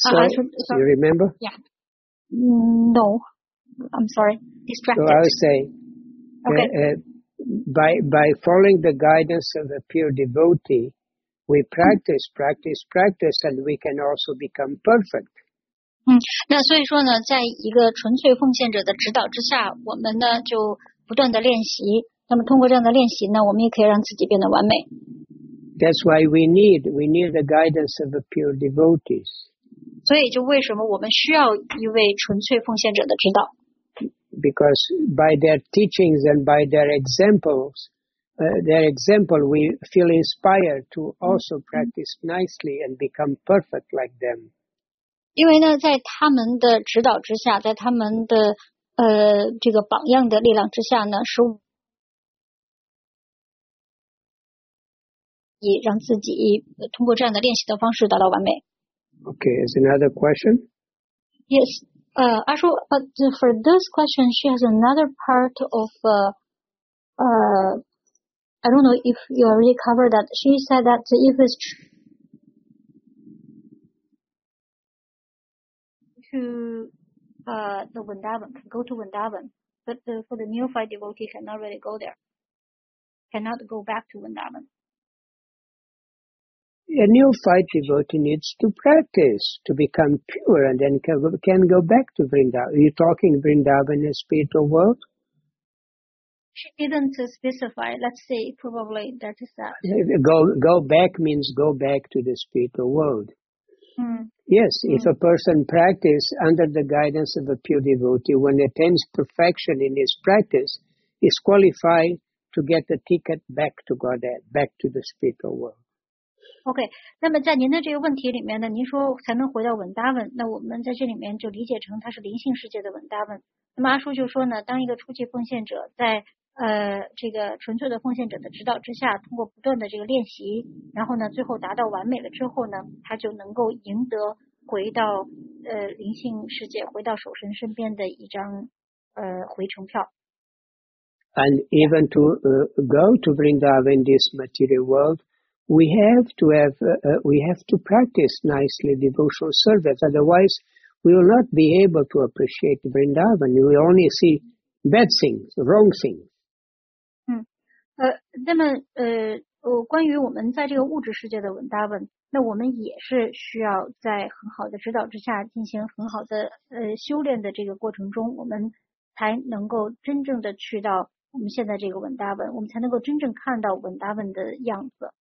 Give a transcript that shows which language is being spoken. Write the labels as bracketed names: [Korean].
[English] you remember? Yeah. No, I'm sorry. Distracted. So I would say, by following the guidance of a pure devotee, we practice, and we can also become perfect. [Chinese] 那所以说呢，在一个纯粹奉献者的指导之下，我们呢就不断的练习。那么通过这样的练习呢，我们也可以让自己变得完美。 [English] That's why we need the guidance of a pure devotee. [Chinese] 所以就为什么我们需要一位纯粹奉献者的指导 [English] ？Because by their teachings and by their examples, we feel inspired to also practice nicely and become perfect like them. [Chinese] 因为呢，在他们的指导之下，在他们的这个榜样的力量之下呢，使我以让自己通过这样的练习的方式达到完美。 [English] Okay, is another question? Yes, Ashu, but for this question, she has another part of, I don't know if you already covered that. She said that if it's true to, the Vrindavan, can go to Vrindavan, but for the neophyte devotee, cannot really go there, cannot go back to Vrindavan. A neophyte devotee needs to practice to become pure and then can go back to Vrindavan. Are you talking Vrindavan in a spiritual world? She didn't specify. Let's say probably that is that. Go back means go back to the spiritual world. Mm. Yes, if a person practices under the guidance of a pure devotee, when attains perfection in his practice, is qualified to get the ticket back to Godhead, back to the spiritual world. [Chinese] Okay, 那么在您的这个问题里面呢，您说才能回到文达文，那我们在这里面就理解成他是灵性世界的文达文。那么阿叔就说呢，当一个初级奉献者在这个纯粹的奉献者的指导之下，通过不断的这个练习，然后呢最后达到完美了之后呢，他就能够赢得回到灵性世界，回到守神身边的一张回程票。 [English] And even to go to Vrindavan in this material world, we have to have we have to practice nicely devotional service, otherwise we will not be able to appreciate Vrindavan. We will only see bad things, wrong things. [Chinese] 那么关于我们在这个物质世界的文达文，那我们也是需要在很好的指导之下进行很好的修炼的这个过程中，我们才能够真正的去到我们现在这个文达文，我们才能够真正看到文达文的样子。